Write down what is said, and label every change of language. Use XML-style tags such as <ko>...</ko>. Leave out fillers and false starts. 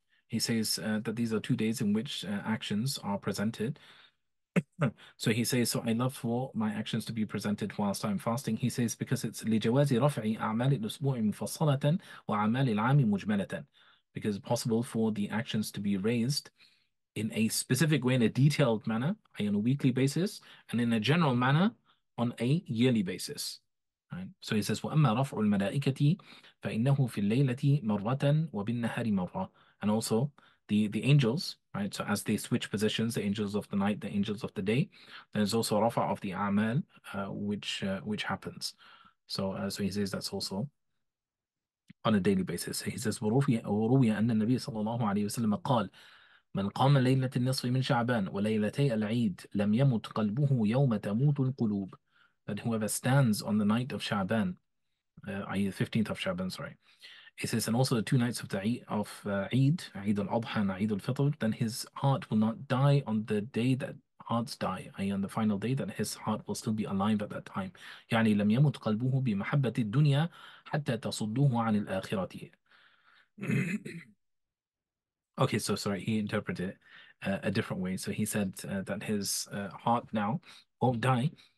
<en>He says that these are 2 days in which actions are presented. So he says, so I love for my actions to be presented whilst I'm fasting. He says, because it's</en> <ar>لجواز رفع أعمال الأسبوع مفصلة وأعمال العام مجملة.</ar> <en>Because it's possible for the actions to be raised in a specific way, in a detailed manner, on a weekly basis, and in a general manner, on a yearly basis. Right? So he says,</en> <ar>وأما رفع الملائكة فإنه في الليلة مرة وبالنهار مرة.</ar> <en>And also, the angels, right? So as they switch positions, the angels of the night, the angels of the day, there's also a rafa of the amal, which happens. So he says that's also on a daily basis. So he says,</en> <ar>وَرُوِيَ أَنَّ النَّبِيَ صَلَّى اللَّهُ عَلَيْهِ وَسَلَّمَ قَالَ مَنْ قَامَ لَيْلَةِ النِّصْفِ مِنْ شَعْبَانَ وَلَيْلَتَيْ الْعِيدِ لَمْ يَمُتْ قَلْبُهُ يَوْمَ تَمُوتُ الْقُلُوبِ.</ar> <en>That whoever stands on the night of Sha'ban, i.e. 15th of Sha'ban, sorry. He says, and also the 2 nights of the Eid al-Adha and Eid al-Fitr, then his heart will not die on the day that hearts die, i.e. on the final day, that his heart will still be alive at that time.</en> <ar>يعني لم يمت قلبه بمحبة الدنيا حتى تصده عن الآخرة.</ar> <en>Okay, so sorry, he interpreted it a different way. So he said that his heart now won't die.</en>